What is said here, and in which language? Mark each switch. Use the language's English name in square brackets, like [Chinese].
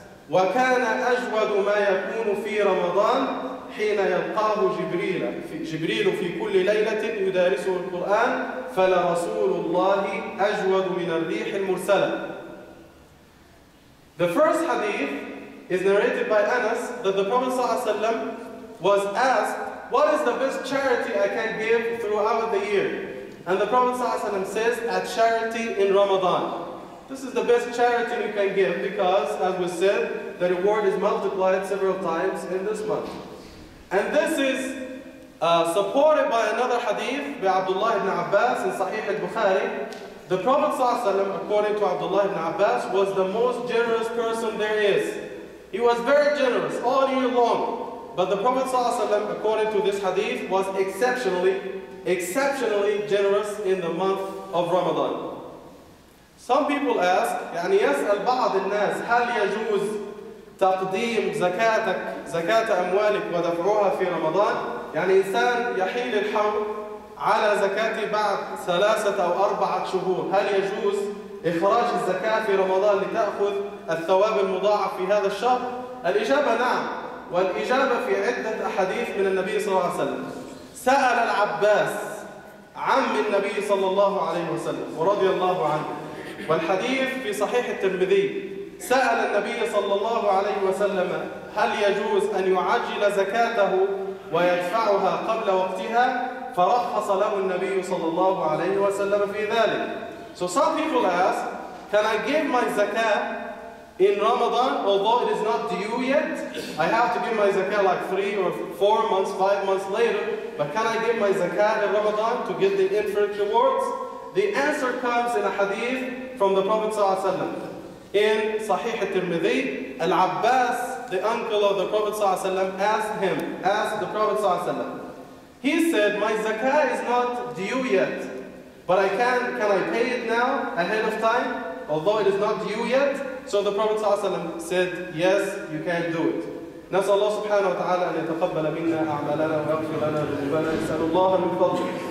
[Arabic] وكان أجود ما يكون في رمضان حين يلقاه جبريل في كل ليلة يدارسه القرآن، فلرسول الله أجود من الريح المرسلة. [English] The first hadith is narrated by Anas that the Prophet صلى الله عليه وسلم was asked, what is the best charity I can give throughout the year? And the Prophet صلى الله عليه وسلم says, a charity in Ramadan. This is the best charity you can give because, as we said, the reward is multiplied several times in this month. And this is supported by another hadith by Abdullah ibn Abbas in Sahih al-Bukhari. The Prophet صلى الله عليه وسلم, according to Abdullah ibn Abbas, was the most generous person there is. He was very generous all year long. But the Prophet صلى الله عليه وسلم, according to this hadith, was exceptionally generous in the month of Ramadan. Some people ask, [Arabic] يعني يسأل بعض الناس هل يجوز تقديم زكاتك زكاة أموالك ودفعها في رمضان؟ يعني إنسان يحيل الحول على زكاتي بعد ثلاثة أو أربعة شهور، هل يجوز إخراج الزكاة في رمضان لتأخذ الثواب المضاعف في هذا الشهر؟ الإجابة نعم، والإجابة في عدة أحاديث من النبي صلى الله عليه وسلم. سأل العباس عم النبي صلى الله عليه وسلم ورضي الله عنه، والحديث في صحيح الترمذي، سأل النبي صلى الله عليه وسلم هل يجوز أن يعجل زكاته ويدفعها قبل وقتها؟ فرخص له النبي صلى الله عليه وسلم في ذلك. [English] So some people ask, can I give my zakat in Ramadan although it is not due yet? I have to give my zakat like 3 or 4 months, 5 months later. But can I give my zakat in Ramadan to get the infinite rewards? The answer comes in a hadith from the Prophet صلى الله عليه وسلم. In Sahih al-Tirmidhi, Al-Abbas, the uncle of the Prophet صلى الله عليه وسلم, asked the Prophet صلى الله عليه وسلم. He said, my zakah is not due yet, but can I pay it now ahead of time, although it is not due yet? So the Prophet صلى الله عليه وسلم said, yes, you can do it. [Arabic] نسأل الله سبحانه وتعالى أن يتقبل منا أعمالنا ويغفر لنا ذنوبنا، نسأل الله من فضله.